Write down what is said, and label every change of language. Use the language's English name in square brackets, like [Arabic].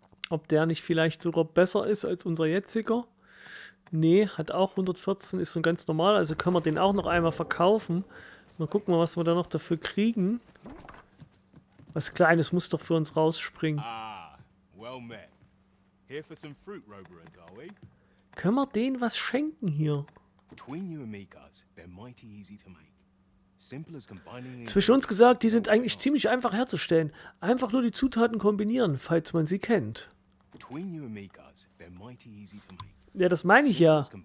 [German] Ob der nicht vielleicht sogar besser ist als unser jetziger. Nee, hat auch 114, ist so ganz normal. Also können wir den auch noch einmal verkaufen. Mal gucken, was wir da noch dafür kriegen. Was Kleines muss doch für uns rausspringen. [English] Ah, well met. Here for some fruit roberant, are we? [German] Können wir denen was schenken hier? [English] Between you and me, guys, they're mighty easy to make. [German] Zwischen uns gesagt, die sind eigentlich ziemlich einfach herzustellen. Einfach nur die Zutaten kombinieren, falls man sie kennt. Ja, das meine ich ja.